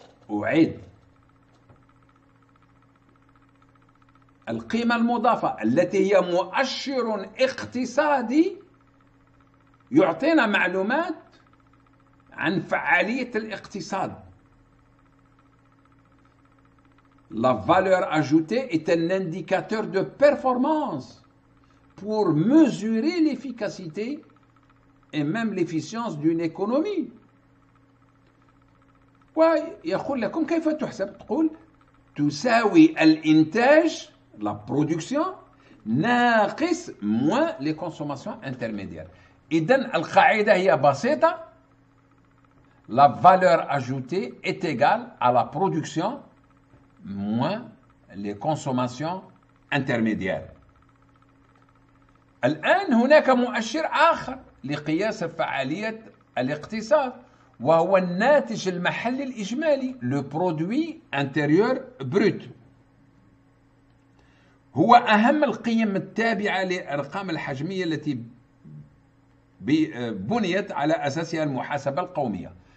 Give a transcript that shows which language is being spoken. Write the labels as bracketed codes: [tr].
[ar] أعيد، القيمة المضافة التي هي مؤشر اقتصادي يعطينا معلومات عن فعالية الاقتصاد. [fr] La valeur ajoutée est un indicateur de performance pour mesurer l'efficacité et même l'efficience d'une économie. [ar] ويقول لكم كيف تحسب؟ تقول تساوي الإنتاج la production ناقص [fr] moins les consommations intermédiaires. [ar] إذن القاعدة هي بسيطة. [fr] La valeur ajoutée est égale à la production moins les consommations intermédiaires. [ar] الآن هناك مؤشر آخر لقياس فعالية الاقتصاد وهو الناتج المحلي الإجمالي le produit intérieur brut. هو أهم القيم التابعة للأرقام الحجمية التي بنيت على أساسها المحاسبة القومية.